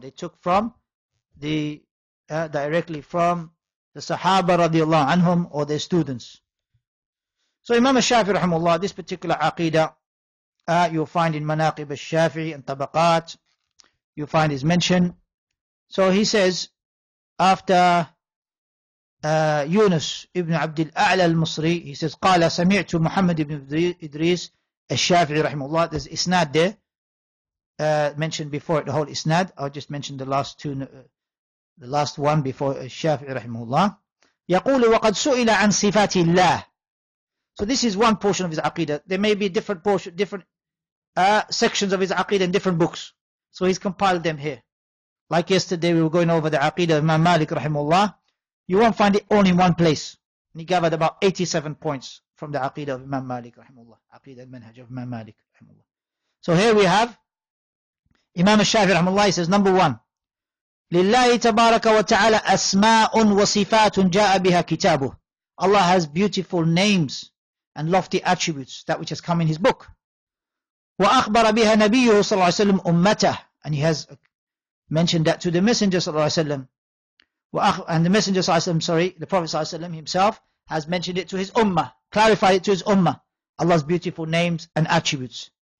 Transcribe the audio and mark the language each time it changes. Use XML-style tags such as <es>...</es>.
<en>They took from directly from the Sahaba radiallahu anhum or their students. So Imam al-Shafi'i rahimahullah, this particular aqidah, you'll find in Manaqib al-Shafi'i and Tabaqat, you'll find his mention. So he says, after</en> <ar>يونس ابن عبد الأعلى المصري,</ar> <en>he says,</en> <ar>قال سمعت محمد بن إدريس الشافعي رحمه الله.</ar> <en>There's isnad there, mentioned before the whole isnad. I'll just mention the last two, the last one before الشافعي رحمه الله.</en> <ar>يقول وقد سئل عن صفات الله.</ar> <en>So this is one portion of his aqidah. There may be different portion, different sections of his aqidah in different books. So he's compiled them here. Like yesterday, we were going over the aqidah of Imam Malik rahimahullah. You won't find it all in one place. And he gathered about 87 points from the aqidah of Imam Malik rahimahullah. Aqidah al-manhaj of Imam Malik rahimahullah. So here we have Imam al-Shafi'i rahimahullah. He says, number one,</en> <ar>لِلَّهِ تَبَارَكَ وَتَعَالَى أَسْمَاءٌ وَصِفَاتٌ جَاءَ بِهَا كِتَابُهُ.</ar> <en>Allah has beautiful names and lofty attributes, that which has come in his book.</en> <ar>وَأَخْبَرَ بِهَا نَبِيُّهُ صَلَّى اللَّهُ عَلَيْهِ وَسَلَّمُ أُمَّتَهُ.</ar> <en>And he has mentioned that to the Messenger صلى الله عليه وسلم. And the Messenger صلى الله عليه وسلم, sorry, the Prophet صلى الله عليه وسلم himself has mentioned it to his ummah, clarified it to his ummah, Allah's beautiful names and attributes.</en>